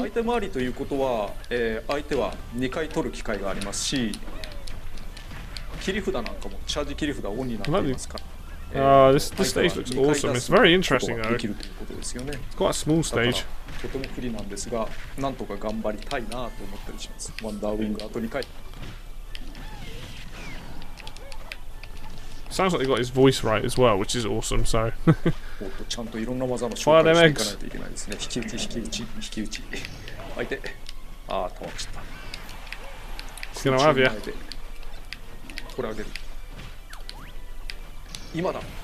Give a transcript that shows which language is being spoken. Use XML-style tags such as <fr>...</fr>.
<ja>相手もありということは、相手は2回取る機会がありますし、切り札なんかもチャージ切り札オンになっていますから。</ja> <en>This stage looks awesome. It's very interesting, though. It's quite a small stage.</en> <ja>とても不利なんですが、なんとか頑張りたいなと思ったりします。ワンダーウィングあと2回。</ja> <en>Sounds like they got his voice right as well, which is awesome. So.</en> <ja>もっとちゃんといろんな技の紹介していかないといけないですね。引き打ち引き打ち引き打ち。相手、ああ倒した。</ja> <en>It's gonna have you.</en> <ja>これあげる。今だ。</ja>